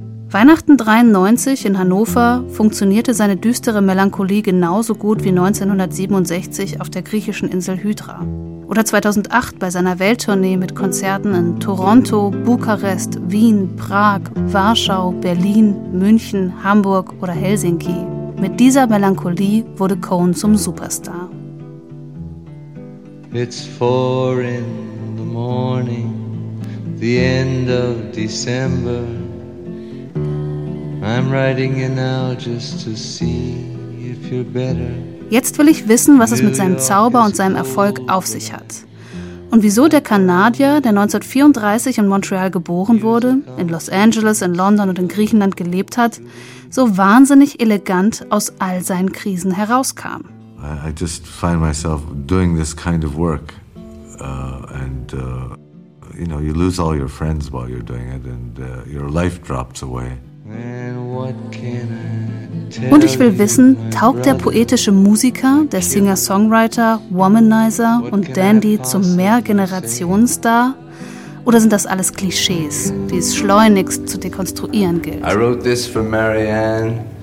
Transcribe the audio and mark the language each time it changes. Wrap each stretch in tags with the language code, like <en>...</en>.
<de>Weihnachten 93 in Hannover funktionierte seine düstere Melancholie genauso gut wie 1967 auf der griechischen Insel Hydra. Oder 2008 bei seiner Welttournee mit Konzerten in Toronto, Bukarest, Wien, Prag, Warschau, Berlin, München, Hamburg oder Helsinki. Mit dieser Melancholie wurde Cohn zum Superstar.</de> <en>It's 4 in the morning, the end of December. I'm writing you now just to see if you're better.</en> <de>Jetzt will ich wissen, was es mit seinem Zauber und seinem Erfolg auf sich hat. Und wieso der Kanadier, der 1934 in Montreal geboren wurde, in Los Angeles, in London und in Griechenland gelebt hat, so wahnsinnig elegant aus all seinen Krisen herauskam.</de> <en>I just find myself doing this kind of work. You know, you lose all your friends while you're doing it and your life drops away.</en> <de>Und ich will wissen, taugt der poetische Musiker, der Singer-Songwriter, Womanizer und Dandy zum Mehrgenerationenstar? Oder sind das alles Klischees, die es schleunigst zu dekonstruieren gilt?</de> <en>I wrote this for Marianne.</en>